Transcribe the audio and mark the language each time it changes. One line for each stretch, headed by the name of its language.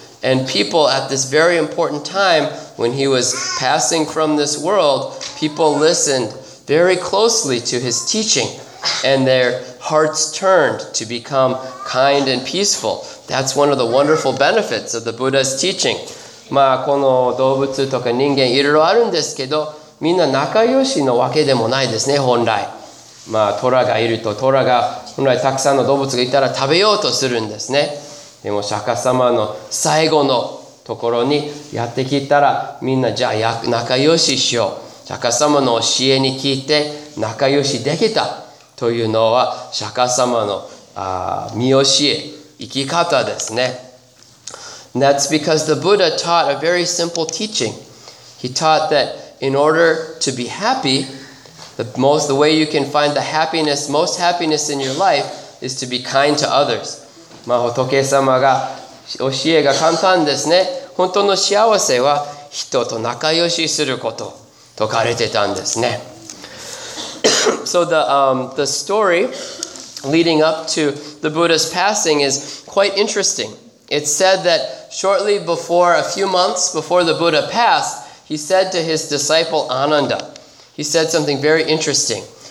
English: And people at this very important time, when he was passing from this world, people listened very closely to his teaching. And their hearts turned to become kind and peaceful. That's one of the wonderful benefits of the Buddha's teaching.
Japanese: まあこの動物とか人間いろいろあるんですけど、みんな仲良しのわけでもないですね、本来。まあトラがいるとトラが本来たくさんの動物がいたら食べようとするんですね。でも釈迦様の最後のところにやってきたら、みんなじゃあ仲良ししよう。釈迦様の教えに聞いて仲良しできた。というのは釈迦様の見教え、生き方ですね。
English: And that's because the Buddha taught a very simple teaching. He taught that in order to be happy, the way you can find the happiness, most happiness in your life, is to be kind to others.
Japanese: まあ仏様が教えが簡単ですね。本当の幸せは人と仲良しすること、説かれてたんですね。
English: So the story leading up to the Buddha's passing is quite interesting. It's said that shortly before, a few months before the Buddha passed, he said to his disciple Ananda, he said something very interesting.